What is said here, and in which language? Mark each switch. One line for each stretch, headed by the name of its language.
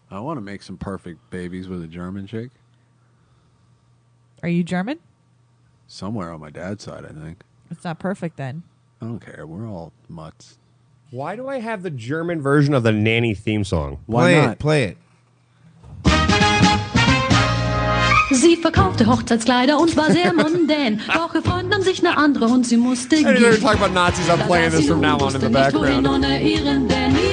English: I want to make some perfect babies with a German chick. Are you German? Somewhere on my dad's side, I think. It's not perfect then. I don't care. We're all mutts. Why do I have the German version of the Nanny theme song? Why not? Play it.
German: Sie verkaufte Hochzeitskleider und war sehr mundän. Doch ihr Freund nahm sich eine andere und sie musste gehen.
English: Anyway, we're talking about Nazis. I'm playing this from now on in the background.